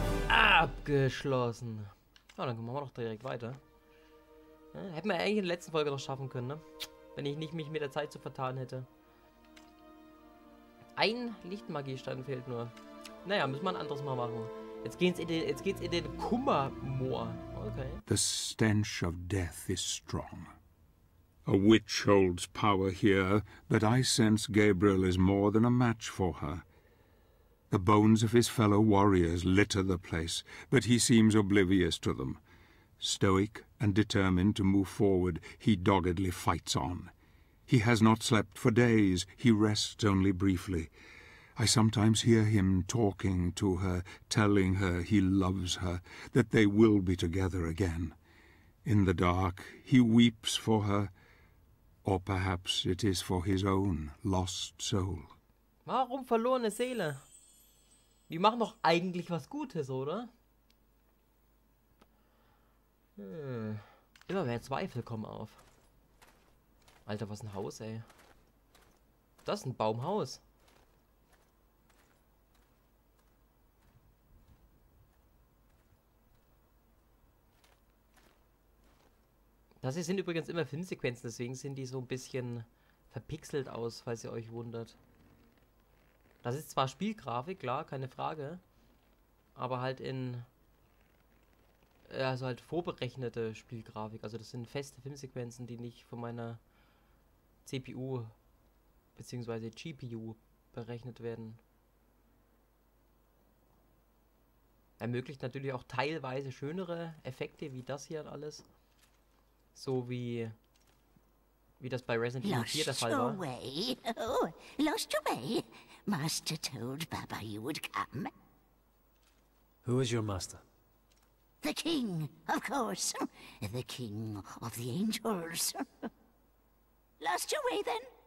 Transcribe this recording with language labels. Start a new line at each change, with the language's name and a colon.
German: Abgeschlossen. Ja, dann machen wir doch direkt weiter. Ja, hätten wir eigentlich in der letzten Folge noch schaffen können, ne? Wenn ich nicht mich mit der Zeit zu vertan hätte. Ein Lichtmagiestein fehlt nur. Naja, müssen wir ein anderes Mal machen. Jetzt geht's in den Kummermoor. Okay.
English: The stench of death is strong. A witch holds power here, but I sense Gabriel is more than a match for her. The bones of his fellow warriors litter the place, but he seems oblivious to them. Stoic and determined to move forward, he doggedly fights on. He has not slept for days, he rests only briefly. I sometimes hear him talking to her, telling her he loves her, that they will be together again. In the dark, he weeps for her. Or perhaps it is for his own lost soul.
German: Warum verlorene Seele? Wir machen doch eigentlich was Gutes, oder? Immer mehr Zweifel kommen auf. Alter, was ein Haus, ey. Das ist ein Baumhaus. Das hier sind übrigens immer Filmsequenzen, deswegen sind die so ein bisschen verpixelt aus, falls ihr euch wundert. Das ist zwar Spielgrafik, klar, keine Frage. Aber halt in... Also halt vorberechnete Spielgrafik. Also das sind feste Filmsequenzen, die nicht von meiner CPU bzw. GPU berechnet werden. Ermöglicht natürlich auch teilweise schönere Effekte wie das hier und alles. So wie... Wie das bei Resident Evil 4 der Fall war.
English: Lost away. Oh, lost away. Master told Baba you would come. Who is your master? The king, of course. The king of the angels. Lost your way then?